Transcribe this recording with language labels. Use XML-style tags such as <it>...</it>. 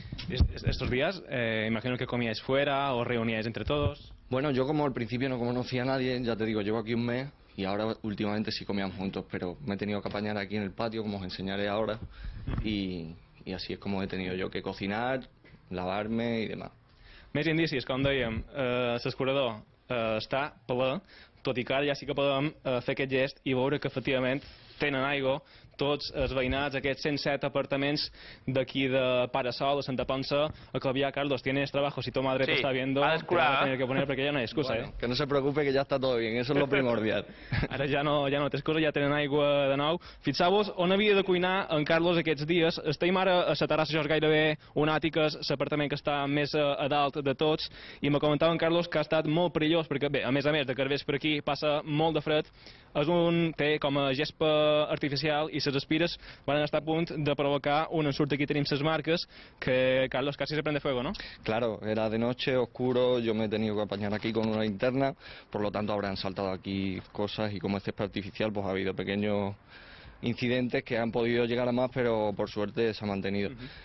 <es>Estos días, imagino que comíais fuera o reuníais entre todos. Bueno, yo como al principio no conocía a nadie, ya te digo, llevo aquí un mes, y ahora últimamente sí comíamos juntos, pero me he tenido que apañar aquí en el patio, como os enseñaré ahora, y así es como he tenido yo que cocinar, lavarme y demás.</es> <ca>Més indicis, com dèiem, l'escurador està ple, tot i que ara ja sí que podem fer aquest gest i veure que efectivament tenen aigua, tots els veïnats, aquests 107 apartaments d'aquí de Parasol, de Santa Ponsa, a Clavià, Carlos,</ca> <es>tienes trabajo, si tu madre sí, te está viendo, te va a tener que poner,</es> <ca>perquè ja no hi ha excusa,</ca> <es>bueno, que no se preocupe, que</es> <ca>ja està tot</ca> <es>bien, eso es lo primordial.</es> <ca>Ara ja no té excusa, ja tenen aigua de nou. Fixeu-vos on havia de cuinar en Carlos aquests dies. Estem ara a la terrassa, això és gairebé un àtic, l'apartament que està més a dalt de tots, i me comentava en Carlos que ha estat molt perillós, perquè bé, a més, de que ves per aquí passa molt de fred, és un té com a gespa artificial i les espires van estar a punt de provocar un ensurt. Aquí tenim les marques,</ca> <es>que Carlos casi se prende fuego, ¿no? Claro, era de noche, oscuro, yo me he tenido que apañar aquí con una linterna, por lo tanto habrán saltado aquí cosas y como es gespa artificial pues ha habido pequeños incidentes que han podido llegar a más, pero por suerte se ha mantenido. Uh-huh.</es>